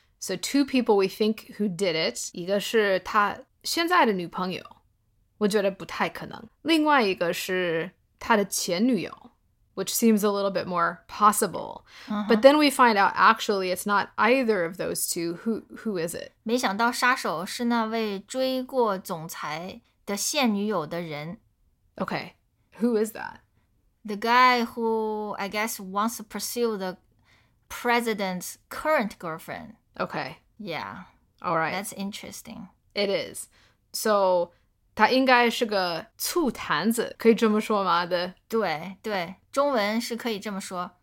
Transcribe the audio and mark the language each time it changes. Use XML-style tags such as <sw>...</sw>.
<en>So two people we think who did it.</en> <zh>一个是他现在的女朋友，我觉得不太可能。另外一个是他的前女友，</zh> <en>which seems a little bit more possible.、 Uh-huh. But then we find out actually it's not either of those two. Who is it?</en> <zh>没想到杀手是那位追过总裁的现女友的人。</zh> <en>Okay, who is that? The guy who I guess wants to pursue the president's current girlfriend. Okay. Yeah. All right. That's interesting. It is.</en> <zh>So, 他应该是个醋坛子，可以这么说吗？对对，中文是可以这么说。</zh>